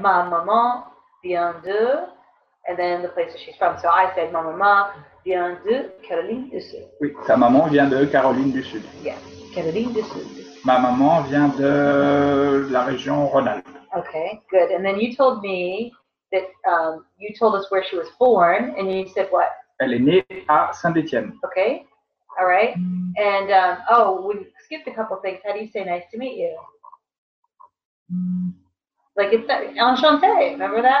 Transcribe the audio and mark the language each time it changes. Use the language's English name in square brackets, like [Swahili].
[French] Ma maman vient de, [English] and then the place that she's from. So I said, [French] ma maman vient de Caroline du Sud. Oui, ta maman vient de Caroline du Sud. [English] Yes, Caroline du Sud. [French] Ma maman vient de la région Rhône-Alpes. [English] Okay, good. And then you told me that you told us where she was born, and you said what? [French] Elle est née à Saint-Étienne. [English] Okay, all right. And, we skipped a couple things. How do you say nice to meet you? Like it's enchanté, remember that?